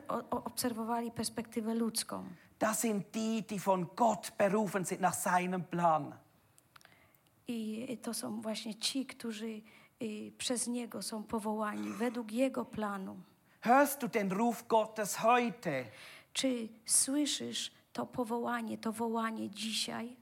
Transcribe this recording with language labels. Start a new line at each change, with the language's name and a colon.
Polish: Obserwowali perspektywę ludzką.
German: Das sind die, die von Gott berufen sind nach seinem Plan.
Polish: I to są właśnie ci, którzy przez Niego są powołani, według Jego planu.
German: Hörst du den Ruf Gottes heute?
Polish: Czy słyszysz to powołanie, to wołanie dzisiaj?